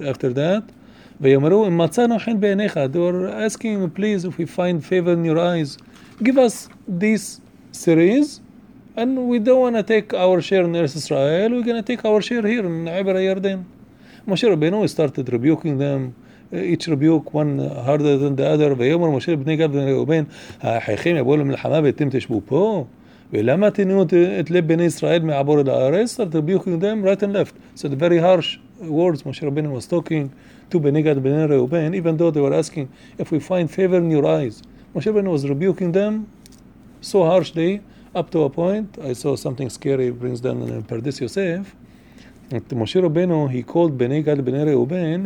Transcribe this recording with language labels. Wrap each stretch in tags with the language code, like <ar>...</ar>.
<en>After that,</en> <he>ויאמרו אם מצאנו חן בעיניך,</he> <en>they were asking, please, if we find favor in your eyes. Give us this series, and we don't want to take our share in Eretz Israel. We're going to take our share here in Eber HaYarden. Moshe Rabbeinu started rebuking them. Each rebuke one harder than the other.</en> <he>ויאמר משה לבני גד ולבני ראובן, האחיכם יבואו למלחמה ואתם תשבו פה. ולמה תנו את לב בני ישראל מעבור אל הארץ?</he> <en>Started rebuking them right and left. So the very harsh words Moshe Rabbeinu was talking to בני גד ולבני ראובן, even though they were asking if we find favor in your eyes. Moshe Rabbeinu was rebuking them so harshly, up to a point. I saw something scary brings down in Pardes Yosef. And Moshe Rabbeinu, he called Bnei Gad, Bnei Reuben.</en>